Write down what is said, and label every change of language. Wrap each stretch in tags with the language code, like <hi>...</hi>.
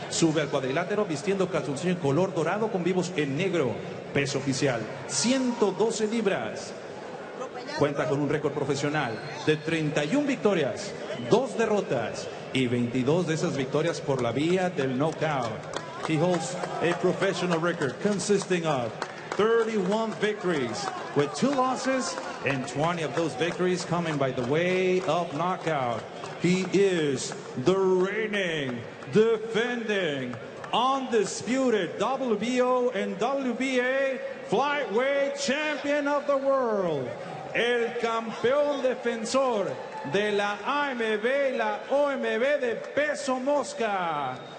<es>Sube al cuadrilátero vistiendo calzoncillo en color dorado con vivos en negro. Peso oficial, 112 libras. Cuenta con un récord profesional de 31 victorias, 2 derrotas y 22 de esas victorias por la vía del knockout.</es> <en>He holds a professional record consisting of 31 victories with 2 losses and 20 of those victories coming by the way of knockout. He is the reigning, defending, undisputed WBO and WBA flyweight champion of the world.</en> <es>El campeón defensor de la AMB y la OMB de peso mosca.</es>